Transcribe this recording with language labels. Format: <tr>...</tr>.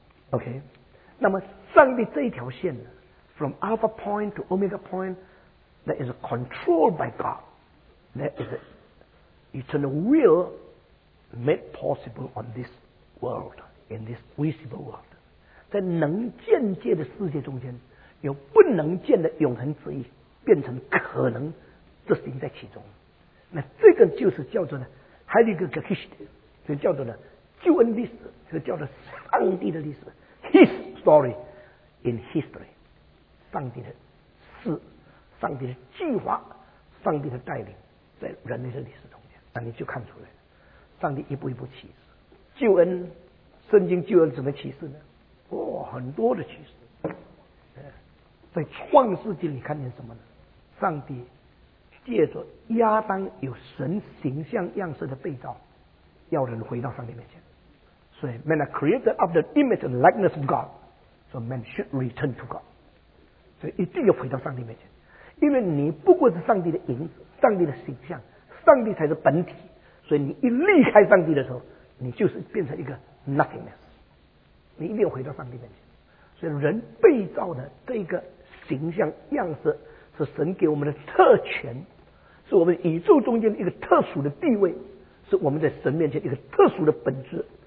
<en>OK,</en> <zh>那么上帝这一条线呢</zh> <en>from alpha point to omega point,That is controlled by God. That is the eternal will made possible on this world, in this visible world.</en> <zh>在能见界的世界中间，有不能见的永恒之意变成可能执行在其中。那这个就是叫做呢，还有一个 Gekist， 就叫做呢救恩历史，就叫做上帝的历史 ，</zh> <en>His story in history，</en> <zh>上帝的事。上帝的计划，上帝的带领，在人类的历史中间，那你就看出来了。上帝一步一步启示，救恩，圣经救恩怎么启示呢？哦，很多的启示。在创世纪你看见什么呢？上帝借着亚当有神形象样式的被造，要人回到上帝面前。</zh> <en>所以 ，man are created of the image and likeness of God， so man should return to God。</en> <zh>所以一定要回到上帝面前。因为你不过是上帝的影子，上帝的形象，上帝才是本体，所以你一离开上帝的时候，你就是变成一个 nothingness， 你一定要回到上帝面前。所以人被造的这个形象样式是神给我们的特权，是我们宇宙中间的一个特殊的地位，是我们在神面前一个特殊的本质。</zh>